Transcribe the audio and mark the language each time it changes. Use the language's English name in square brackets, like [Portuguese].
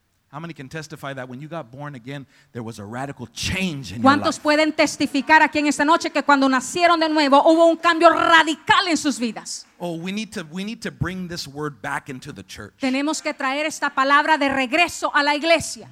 [English] How many can testify that when you got born again, there was a radical change in your [Spanish] ¿Cuántos [English] life? [Spanish] ¿Cuántos pueden testificar aquí en esta noche que cuando nacieron de nuevo hubo un cambio radical en sus vidas? [English] Oh, we need to bring this word back into the church. [Spanish] Tenemos que traer esta palabra de regreso a la iglesia.